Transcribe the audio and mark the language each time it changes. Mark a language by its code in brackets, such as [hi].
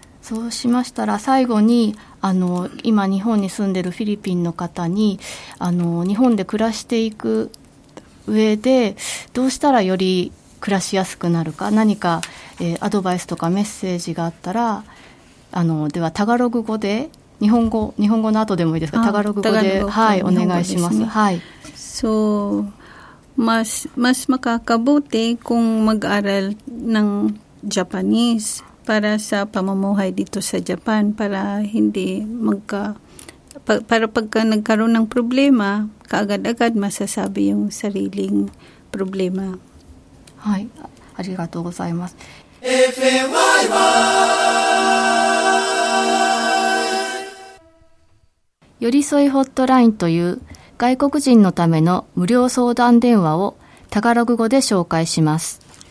[ja] そうしましたら最後に今日本に住んでるフィリピンの方に日本で暮らしていく上でどうしたらより暮らしやすくなるか、何か、アドバイスとかメッセージがあったら、ではタガログ語で、日本語の後でもいいですか、タガログ語で、はい、お願いします。はい、 [tl] そう、mas makakabuti kung mag-aral ng Japanese para sa pamumuhay dito sa Japan, para hindi para pagka nagkaroon ng problema, kaagad-agad masasabi yung sariling problema. [ja] はい、ありがとうございます。 [en] FMYY [ja] 寄り添いホットラインという外国人のための無料相談電話をタガログ語で紹介します。